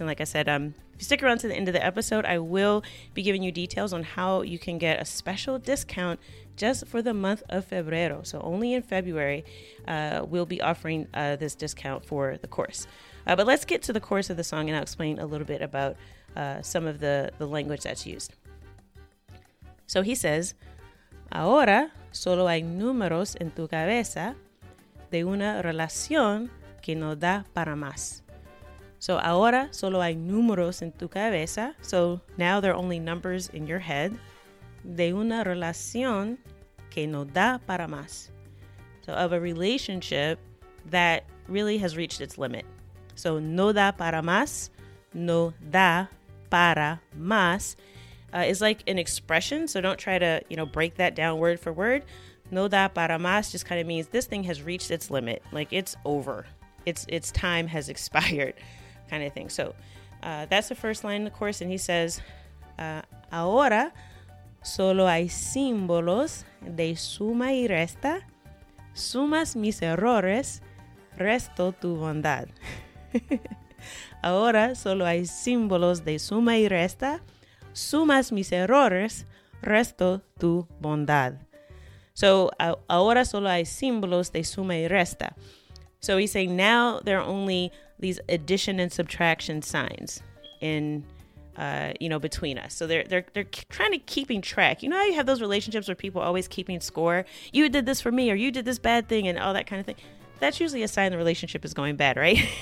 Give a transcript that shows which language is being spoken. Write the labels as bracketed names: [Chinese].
[English] And like I said, if you stick around to the end of the episode, I will be giving you details on how you can get a special discount just for the month of Febrero. So only in February, we'll be offering this discount for the course. But let's get to the chorus of the song and I'll explain a little bit about some of the language that's used. So he says, [Spanish] Ahora solo hay números en tu cabeza de una relación que no da para más. So ahora solo hay números en tu cabeza. [English] So now there are only numbers in your head. [Spanish] De una relación que no da para más. [English] So of a relationship that really has reached its limit. [Spanish] So no da para más. No da para más. [English] Is like an expression, so don't try to, you know, break that down word for word. [Spanish] No da para más [English] just kind of means this thing has reached its limit, like it's over, its time has expired, kind of thing. So that's the first line of the chorus, and he says, ahora [Spanish] solo hay símbolos de suma y resta. Sumas mis errores, resto tu bondad. Ahora solo hay símbolos de suma y resta. Sumas mis errores, resto tu bondad. So, ahora solo hay símbolos de suma y resta. [English] So he's saying now there are only these addition and subtraction signs in, you know, between us. So they're trying to keeping track. You know how you have those relationships where people are always keeping score? You did this for me, or you did this bad thing, and all that kind of thing. That's usually a sign the relationship is going bad, right?